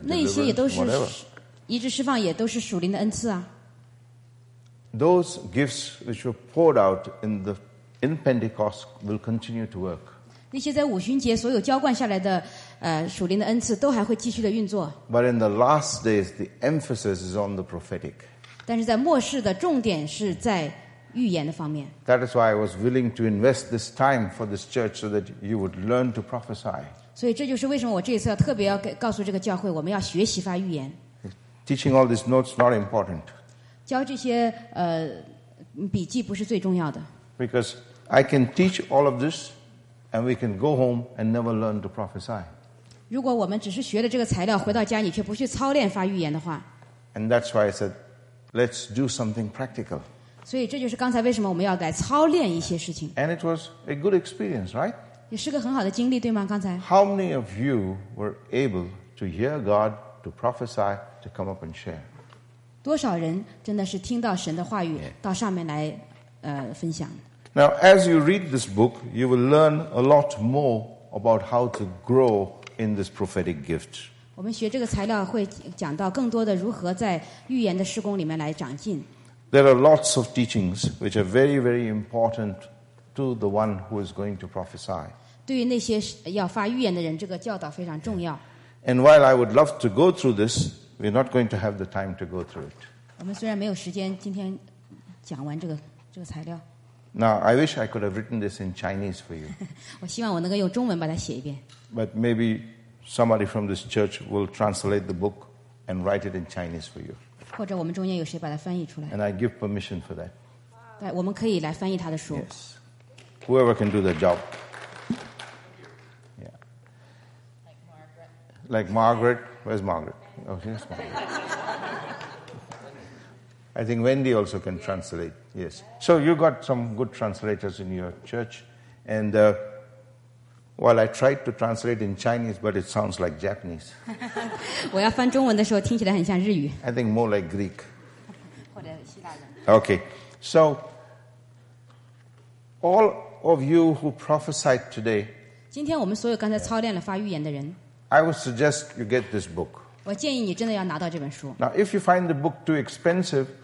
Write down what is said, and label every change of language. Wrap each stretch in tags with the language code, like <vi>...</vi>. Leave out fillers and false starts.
<zh>那些也都是医治释放，也都是属灵的恩赐啊。</zh> <en>Those gifts which were poured out in Pentecost will continue to work.</en> <zh>那些在五旬节所有浇灌下来的属灵的恩赐都还会继续的运作。</zh> <en>But in the last days, the emphasis is on the prophetic.</en> <zh>但是在末世的重点是在。</zh> <en>That is why I was willing to invest this time for this church so that you would learn to prophesy.</en> <zh>所以这就是为什么我这一次要特别要告诉这个教会，我们要学习发预言。</zh> <en>Teaching all these notes not important.</en> <zh>教这些笔记不是最重要的。</zh> <en>Because I can teach all of this, and we can go home and never learn to prophesy.</en> <zh>如果我们只是学了这个材料，回到家你却不去操练发预言的话。</zh> <en>And that's why I said, let's do something practical.</en> <zh>所以这就是刚才为什么我们要来操练一些事情。</zh> <en>And it was a good experience, right?</en> <zh>也是个很好的经历，对吗？刚才。</zh> <en>How many of you were able to hear God, to prophesy, to come up and share?</en> <zh>多少人真的是听到神的话语到上面来，分享</zh> <en>？Now, as you read this book, you will learn a lot more about how to grow in this prophetic gift.</en> <zh>我们学这个材料会讲到更多的如何在预言的事工里面来长进。</zh> <en>There are lots of teachings which are very, very important to the one who is going to prophesy.</en> <zh>对于那些要发预言的人，这个教导非常重要。</zh> <en>And while I would love to go through this, we're not going to have the time to go through it.</en> <zh>我们虽然没有时间今天讲完这个材料。</zh> <en>Now, I wish I could have written this in Chinese for you.</en> <zh>我希望我能够用中文把它写一遍。</zh> <en>But maybe somebody from this church will translate the book and write it in Chinese for you.</en> <zh>或者我们中间有谁把它翻译出来。</zh> <en>And I give permission for that.</en> <zh>对，我们可以来翻译他的书。</zh> <en>Yes. Whoever can do the job. Yeah. Like Margaret. Like Margaret. Where's Margaret? Oh, here's Margaret. I think Wendy also can translate, yes. So you got some good translators in your church. And well, I tried to translate in Chinese, but it sounds like Japanese.</en> <zh>我要翻中文的时候听起来很像日语。</zh> <en>I think more like Greek.</en> <zh>或者希腊人。</zh> <en>Okay, so all of you who prophesied today,</en> <zh>今天我们所有刚才操练了发预言的人,</zh> <en>I would suggest you get this book.</en> <zh>我建议你真的要拿到这本书。</zh> <en>Now, if you find the book too expensive,</en>